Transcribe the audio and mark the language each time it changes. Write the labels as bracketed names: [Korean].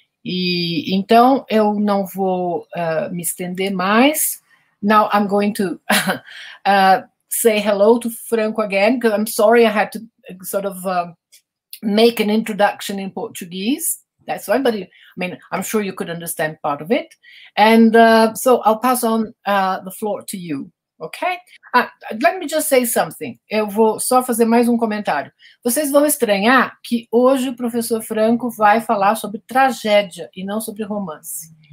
[Portuguese] E, então, eu não vou me estender mais. [English] Now I'm going to say hello to Franco again, because I'm sorry I had to sort of make an introduction in Portuguese. That's why, but I'm sure you could understand part of it. And so I'll pass on the floor to you, okay? Let me just say something. [Portuguese] Eu vou só fazer mais comentário. Vocês vão estranhar que hoje o professor Franco vai falar sobre tragédia e não sobre romance.